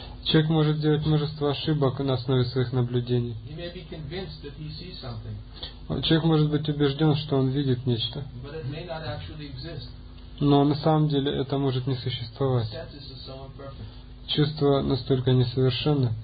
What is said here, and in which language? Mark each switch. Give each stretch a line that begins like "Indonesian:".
Russian: Человек может делать множество ошибок на основе своих наблюдений.
English: He may be convinced that he sees something.
Russian: Человек может быть убежден, что он видит нечто.
English: But it may not actually exist.
Russian: Но на самом деле это может не существовать.
English: The senses are so imperfect.
Russian: Чувства настолько несовершенны,